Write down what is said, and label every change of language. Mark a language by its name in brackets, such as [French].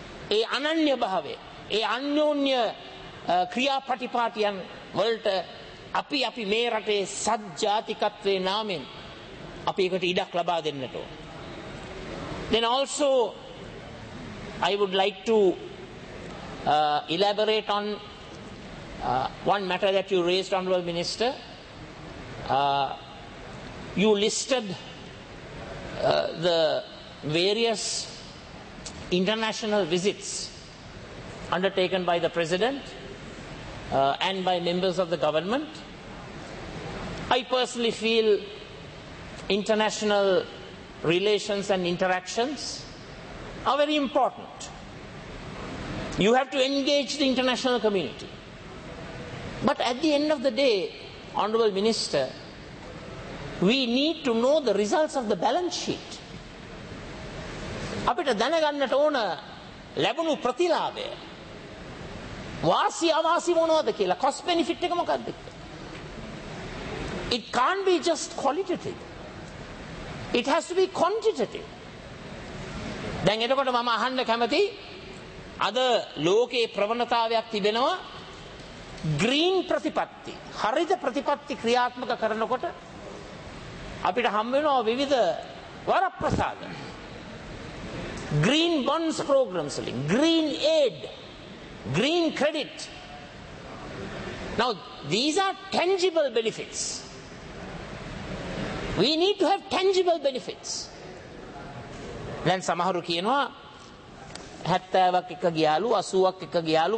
[Sinhala] ඒ අනන්‍ය භාවය, ඒ අන්‍යෝන්‍ය ක්‍රියාපටිපාටියන් වලට අපි මේ රටේ සත්ජාතිකත්වයේ නාමෙන් අපි ඒකට ඉඩක් ලබා දෙන්නට ඕන. [English] Then also I would like to elaborate on one matter that you raised, Honorable Minister. You listed the various international visits undertaken by the President and by members of the government. I personally feel international relations and interactions are very important. You have to engage the international community. But at the end of the day, Honorable Minister, we need to know the results of the balance sheet. [Sinhala] අපිට දැනගන්නට ඕන ලැබුණු ප්‍රතිලාභය, වාසි අවාසි මොනවද කියලා, cost benefit එක මොකද්ද? [English] It can't be just qualitative. It has to be quantitative. [Sinhala] දැන් එතකොට මම අහන්න කැමති, අද ලෝකයේ ප්‍රවණතාවයක් තිබෙනවා ග්‍රීන් ප්‍රතිපත්ති, හරිත ප්‍රතිපත්ති ක්‍රියාත්මක කරනකොට අපිට හම් වෙනවා විවිධ වරප්‍රසාද. [English] Green bonds programs, green aid, green credit. Now, these are tangible benefits. We need to have tangible benefits. [Sinhala] Then samaharu kiyenawa 70ක් එක ගියාලු 80ක් එක ගියාලු.